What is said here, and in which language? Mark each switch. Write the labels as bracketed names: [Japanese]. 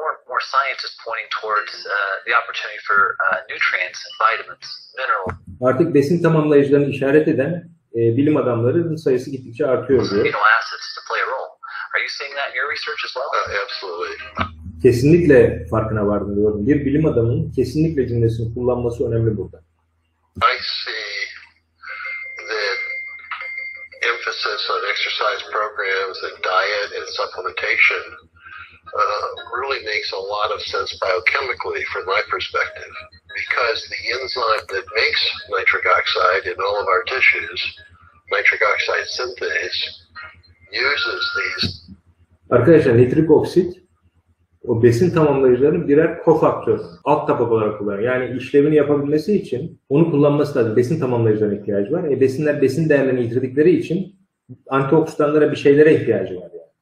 [English] More scientists pointing towards the opportunity for nutrients, vitamins, minerals. [Turkish] Artık besin tamamlayıcılarını işaret eden bilim adamlarının sayısı gittikçe artıyor diyor. [English] Amino acids to play a role. Are you seeing that in your research as well? Absolutely. [Turkish] Kesinlikle farkına vardım diyorum. Bir bilim adamının kesinlikle cümlesini kullanması önemli burada. [English] I see that emphasis on exercise programs and diet and supplementation really makes a lot of sense biochemically from my perspective, because the enzyme that makes nitric oxide in all of our tissues, nitric oxide synthase, uses these. [Turkish] Arkadaşlar, nitrik oksit o besin tamamlayıcıların birer kofaktör, alt tabak olarak kullanıyor. Yani işlevini yapabilmesi için onu kullanması lazım. Besin tamamlayıcılarına ihtiyacı var. Besinler besin değerlerini yitirdikleri için antioksidanlara, bir şeylere ihtiyacı var.